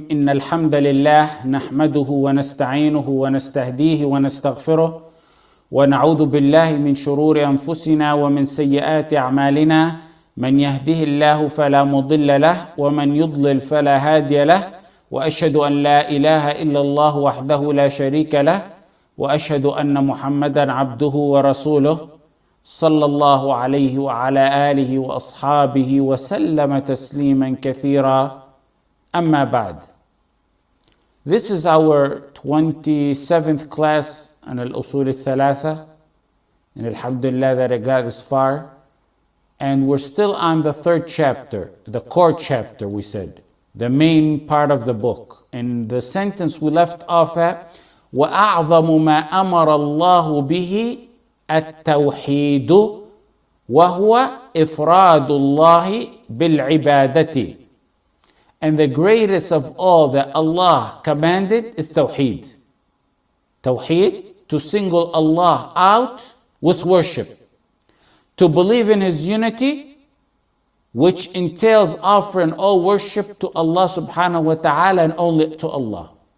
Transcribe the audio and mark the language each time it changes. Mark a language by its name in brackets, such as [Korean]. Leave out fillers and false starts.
[Arabic] إن الحمد لله نحمده ونستعينه ونستهديه ونستغفره ونعوذ بالله من شرور أنفسنا ومن سيئات أعمالنا، من يهده الله فلا مضل له ومن يضلل فلا هادي له، وأشهد أن لا إله إلا الله وحده لا شريك له، وأشهد أن محمدا عبده ورسوله صلى الله عليه وعلى آله وأصحابه وسلم تسليما كثيرا. أما بعد، [English] This is our 27th class [Arabic] عن الأصول الثلاثة. [English] And alhamdulillah that I got this far. And we're still on the third chapter, the core chapter, we said, the main part of the book. And the sentence we left off at, [Arabic] وَأَعْظَمُ مَا أَمَرَ اللَّهُ بِهِ التوحيد وهو إفراد الله بالعبادة. [English] And the greatest of all that Allah commanded is توحيد. توحيد, to single Allah out with worship, to believe in His unity, which entails offering all worship to Allah subhanahu wa ta'ala and only to Allah.